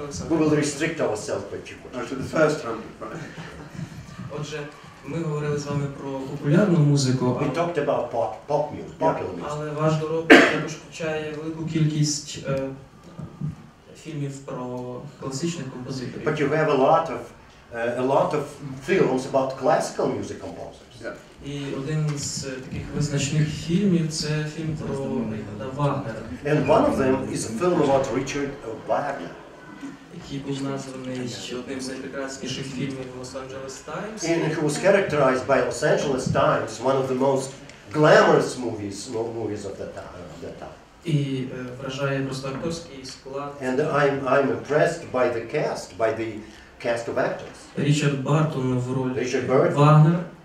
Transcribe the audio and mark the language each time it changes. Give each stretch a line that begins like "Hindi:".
English: We will restrict ourselves by two questions. To the first hundred.
Ukrainian: Отже, ми говорили з вами про популярну музику.
English: We talked about pop music, popular music.
Ukrainian: Але ваш доробок також включає велику кількість фільмів про класичних композиторів.
English: But you have a lot of films about classical music composers. Yeah.
Ukrainian: І один з таких визначних фільмів – це фільм про Ріхарда Вагнера.
English: And one of them is a film about Richard Wagner.
Ukrainian: Який був названий одним з найпрекрасніших фільмів Los Angeles Times.
English: And he was characterized by Los Angeles Times, one of the most glamorous movies of that time.
Ukrainian: І вражає просто акторський склад.
English: And I'm impressed by the cast, by the cast of actors.
Ukrainian: Річард Бартон в ролі Вагнера.